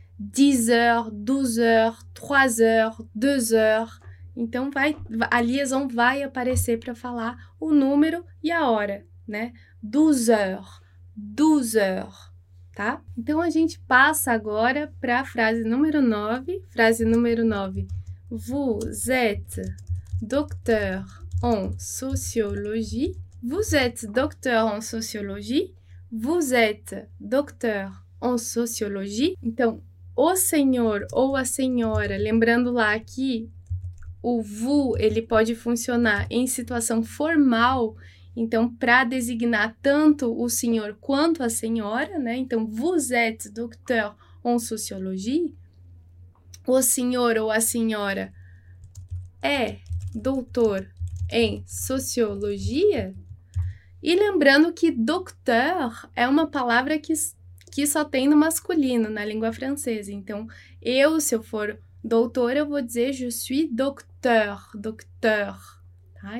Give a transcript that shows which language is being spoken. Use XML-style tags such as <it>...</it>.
<pt>10h, 12h, 3h, 2h. Então, a liaison vai aparecer para falar o número e a hora, né? 12h, 12h, tá? Então, a gente passa agora para a frase número 9. Frase número 9.</pt> <fr>Vous êtes docteur en sociologie. Vous êtes docteur en sociologie. Vous êtes docteur en sociologie.</fr> <pt>Então, o senhor ou a senhora, lembrando lá que O VU, ele pode funcionar em situação formal, então para designar tanto o senhor quanto a senhora, né? Então,</pt> <fr>vous êtes docteur en sociologie?</fr> <pt>O senhor ou a senhora é doutor em sociologia? E lembrando que docteur é uma palavra que só tem no masculino, na língua francesa. Então, eu, se eu for doutor, eu vou dizer</pt> <fr>je suis docteur, docteur.</fr> <pt>Tá?</pt>